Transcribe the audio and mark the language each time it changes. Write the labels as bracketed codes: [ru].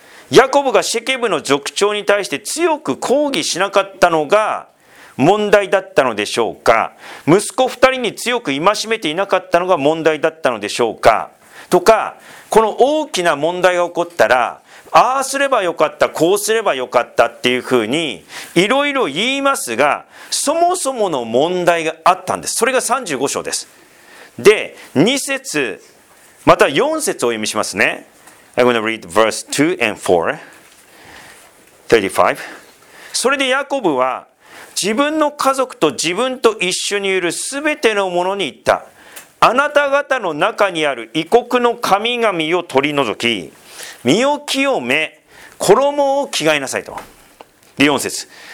[ja] ヤコブがシェケムの族長に対して強く抗議しなかったのが問題だったのでしょうか、息子二人に強く戒めていなかったのが問題だったのでしょうか、とか、この大きな問題が起こったらああすればよかった、こうすればよかったっていうふうにいろいろ言いますが、そもそもの問題があったんです。それが35章です。で、2節また4節を読みしますね。 [en] I'm going to read verse 2 and 4 35。 [ja] それでヤコブは自分の家族と自分と一緒にいるすべてのものに言った。あなた方の中にある異国の神々を取り除き、身を清め、衣を着替えなさいと。で、4節。